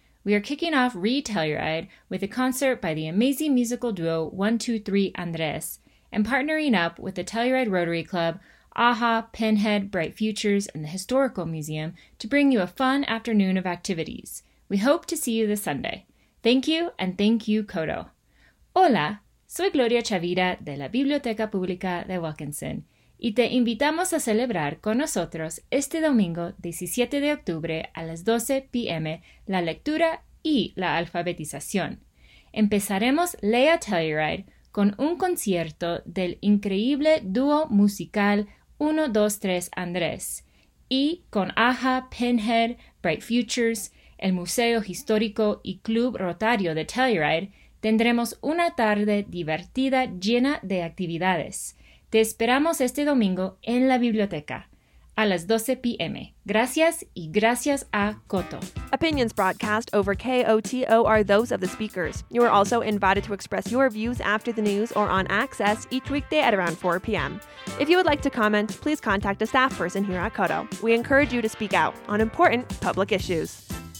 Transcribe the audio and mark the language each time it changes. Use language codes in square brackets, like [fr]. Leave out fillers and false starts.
[en] We are kicking off Read Telluride with a concert by the amazing musical duo 123 Andres and partnering up with the Telluride Rotary Club, AHA, Pinhead, Bright Futures, and the Historical Museum to bring you a fun afternoon of activities. We hope to see you this Sunday. Thank you, and thank you, CODO. [es] Hola, soy Gloria Chavira de la Biblioteca Pública de Wilkinson, y te invitamos a celebrar con nosotros este domingo 17 de octubre a las 12 p.m. la lectura y la alfabetización. Empezaremos Lea Telluride con un concierto del increíble dúo musical uno, dos, tres, Andrés. Y con AHA, Pinhead, Bright Futures, el Museo Histórico y Club Rotario de Telluride, tendremos una tarde divertida llena de actividades. Te esperamos este domingo en la biblioteca a las 12 p.m. Gracias y gracias a Coto. [en] Opinions broadcast over KOTO are those of the speakers. You are also invited to express your views after the news or on Access each weekday at around 4 p.m. If you would like to comment, please contact a staff person here at Coto. We encourage you to speak out on important public issues.